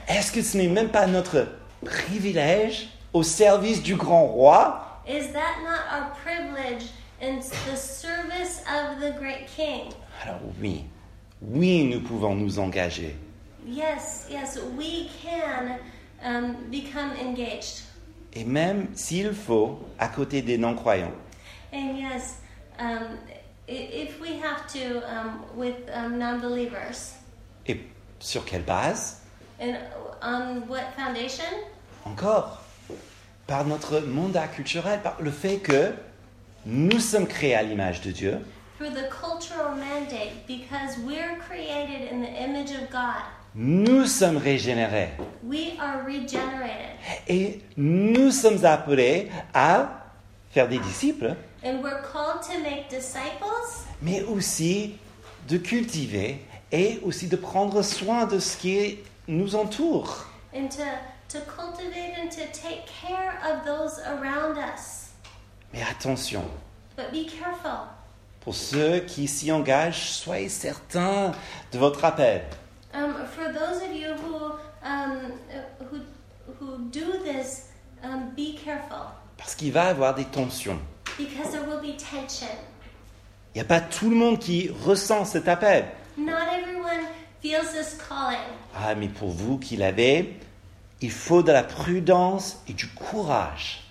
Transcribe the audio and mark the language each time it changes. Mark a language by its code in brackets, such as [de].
[fr] Est-ce que ce n'est même pas notre privilège au service du grand roi? [en] Is that not our privilege in the service of the great king? [fr] Alors oui. Oui, nous pouvons nous engager. [en] Yes, we can become engaged. [fr] Et même s'il faut, à côté des non-croyants. [en] And yes, if we have to with non-believers. [fr] Et sur quelle base? [en] And on what foundation? [fr] Encore, par notre mandat culturel, par le fait que nous sommes créés à l'image de Dieu. [en] Through the cultural mandate, because we're created in the image of God. [fr] Nous sommes régénérés. [en] We are regenerated. [fr] Et nous sommes appelés à faire des disciples. [en] And we're called to make disciples. [fr] Mais aussi de cultiver et aussi de prendre soin de ce qui nous entoure. [en] And to cultivate and to take care of those around us. [fr] Mais attention. [en] But be careful. [fr] Pour ceux qui s'y engagent, soyez certains de votre appel. [en] For those of you who do this, be careful. [fr] Parce qu'il va y avoir des tensions. [en] Because there will be tension. [fr] Il n'y a pas tout le monde qui ressent cet appel. [en] Not everyone feels this calling. [fr] Ah, mais pour vous qui l'avez, il faut de la prudence et du courage.